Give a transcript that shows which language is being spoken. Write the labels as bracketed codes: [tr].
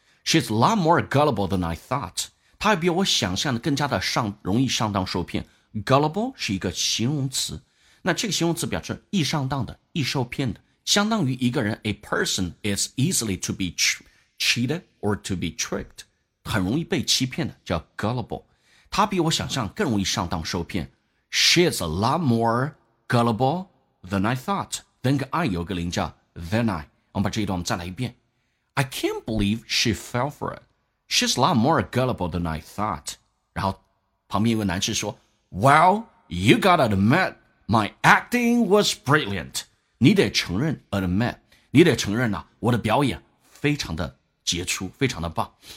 [en] She's a lot more gullible than I thought. [zh] 她比我想象的更加的容易上当受骗。 Gullible 是一个形容词，那这个形容词表示易上当的，易受骗的，相当于一个人 [en] a person is easily to be cheated or to be tricked， [zh] 很容易被欺骗的叫 gullible。他比我想象更容易上当受骗。 [en] She is a lot more gullible than I thought， then [zh] 跟 [en] I [zh] 有个零叫 [en] than I。 [zh] 我们把这一段我们再来一遍。 [en] I can't believe she fell for it， she's a lot more gullible than I thought。 [zh] 然后旁边一位男士说 [en] Well, you gotta admit my acting was brilliant， [zh] 你得承认 admit， 你得承认呢、啊，我的表演非常的杰出，非常的棒。